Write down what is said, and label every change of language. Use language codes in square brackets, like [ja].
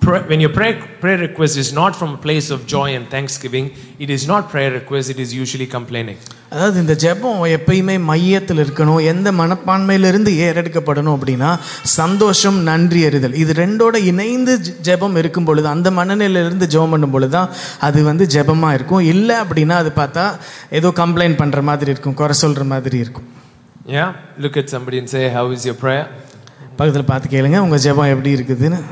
[en] When your prayer request is not from a place of joy and thanksgiving, it is not prayer request, it is usually complaining. [ta] அதாவது இந்த ஜெபம் எப்பயுமே மையத்தில் இருக்கணும், எந்த மனப்பான்மையிலிருந்து ஏறெடுக்கப்படணும் அப்படின்னா சந்தோஷம் நன்றி அறிதல், இது ரெண்டோட இணைந்து ஜெபம் இருக்கும் பொழுது, அந்த மனநிலையிலிருந்து ஜெபம் பண்ணும் பொழுதுதான் அது வந்து ஜெபமா இருக்கும். இல்லை அப்படின்னா அது பார்த்தா ஏதோ கம்ப்ளைண்ட் பண்ற மாதிரி இருக்கும், குறை சொல்ற மாதிரி இருக்கும். [en] Yeah, look at somebody and say, how is your prayer? [ta] பக்கத்தில் பார்த்து கேளுங்க, உங்க ஜெபம் எப்படி இருக்குதுன்னு.